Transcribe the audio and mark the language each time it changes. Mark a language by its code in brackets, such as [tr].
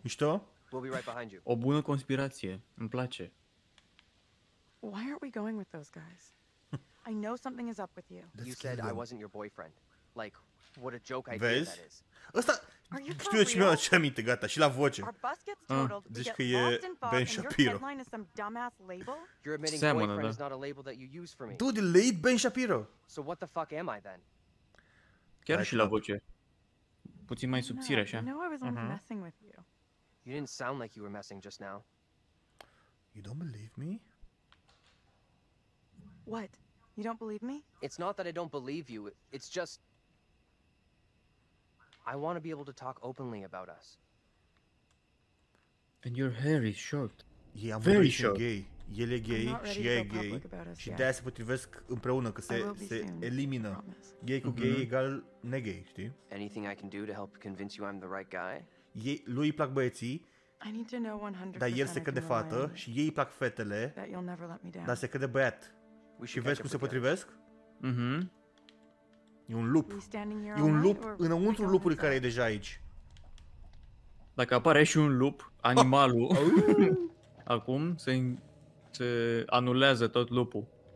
[ro] Mișto? [en] We'll be right behind you. [ro] O bună conspirație. Îmi place. [en] Why aren't we going with those guys? I know something is up with you. You said I wasn't your boyfriend. Like, what a joke idea that is. [ro] Ăsta, știu de ce mi-a luat aminte, gata, și la voce. [en] Our bus gets totaled, we get lost in fog, and your headline is some dumbass label? You're admitting boyfriend is not a label that you use for me. Dude, late Ben Shapiro. So what the fuck am I then? [ro] Chiar și la voce. Puțin mai subțire, așa. [en] No, I was only messing with you. You didn't sound like you were messing just now. You don't believe me? What? You don't believe me? It's not that I don't believe you. It's just I want to be able to talk openly about us. And your hair is short. Yeah, very short. [ro] Gay. El e gay și ea e gay. Și de aia se potrivesc împreună că se elimină. Gay cu gay egal negay, știi? [en] Anything I can do to help convince you I'm the right guy? [ro] Ei, lui îi plac băieții, [en] I need to know 100%, [ro] dar el se crede fată și ei îi plac fetele, dar se crede băiat. Și vezi cum se potrivesc? Mm-hmm. E un loop. E un loop înăuntru loopului care e deja aici. Dacă apare și un loop, animalul, acum se anulează tot loopul.